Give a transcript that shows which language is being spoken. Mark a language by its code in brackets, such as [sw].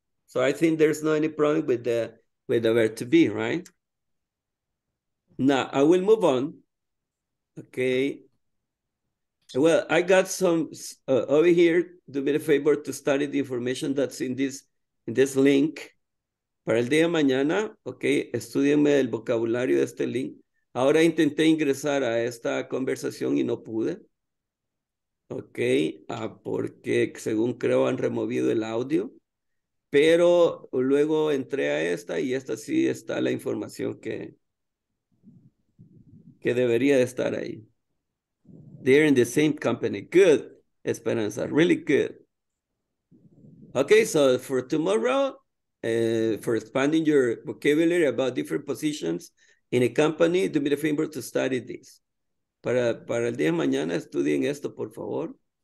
[en] So I think there's not any problem with the verb to be, right? Now, I will move on. Okay, well, I got some over here. Do me the favor to study the information that's in this link. [es] Para el día de mañana, okay, estudienme el vocabulario de este link. Ahora intenté ingresar a esta conversación y no pude. Okay, porque según creo han removido el audio. Pero luego entré a esta y esta sí está la información que debería de estar ahí. [en] They're in the same company. Good, Esperanza. Really good. Okay, so for tomorrow, for expanding your vocabulary about different positions in a company, do me the favor to study this. [es] Para el día de mañana, estudien esto, por favor.